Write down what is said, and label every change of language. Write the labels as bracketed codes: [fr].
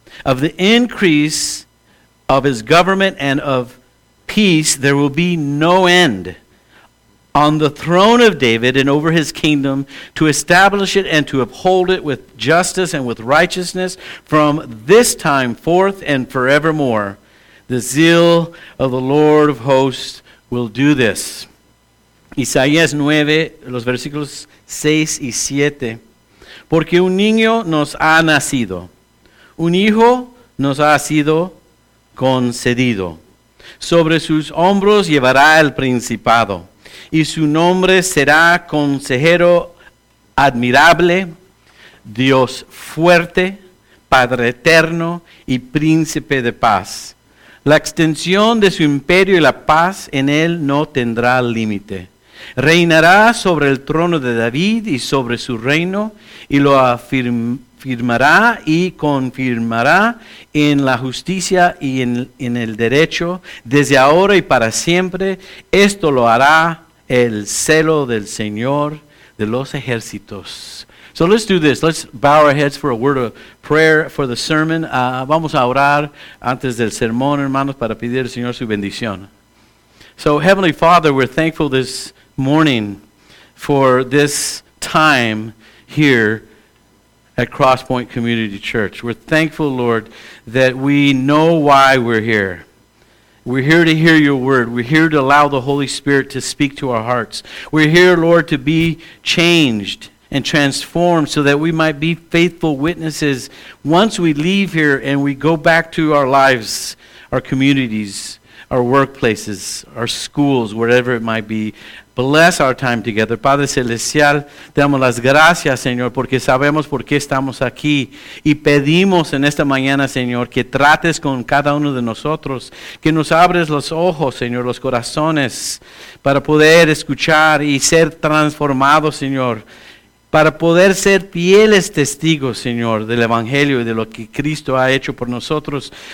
[en] Of the increase of his government and of peace there will be no end, on the throne of David and over his kingdom, to establish it and to uphold it with justice and with righteousness from this time forth and forevermore. The zeal of the Lord of hosts will do this. [es] Isaías 9, los versículos 6 y 7. Porque un niño nos ha nacido, un hijo nos ha sido concedido. Sobre sus hombros llevará el principado. Y su nombre será Consejero Admirable, Dios Fuerte, Padre Eterno y Príncipe de Paz. La extensión de su imperio y la paz en él no tendrá límite. Reinará sobre el trono de David y sobre su reino, y lo afirmará y confirmará en la justicia y en el derecho, desde ahora y para siempre. Esto lo hará el celo del Señor de los ejércitos. [en] So let's do this. Let's bow our heads for a word of prayer for the sermon. Vamos a orar antes del sermón, hermanos, para pedir al Señor su bendición. So Heavenly Father, we're thankful this morning for this time here at Cross Point Community Church. We're thankful, Lord, that we know why we're here. We're here to hear your word. We're here to allow the Holy Spirit to speak to our hearts. We're here, Lord, to be changed and transformed so that we might be faithful witnesses once we leave here and we go back to our lives, our communities, our workplaces, our schools, wherever it might be. Bless our time together. [es] Padre Celestial, te damos las gracias, Señor, porque sabemos por qué estamos aquí. Y pedimos en esta mañana, Señor, que trates con cada uno de nosotros, que nos abres los ojos, Señor, los corazones, para poder escuchar y ser transformados, Señor, para poder ser fieles testigos, Señor, del Evangelio y de lo que Cristo ha hecho por nosotros.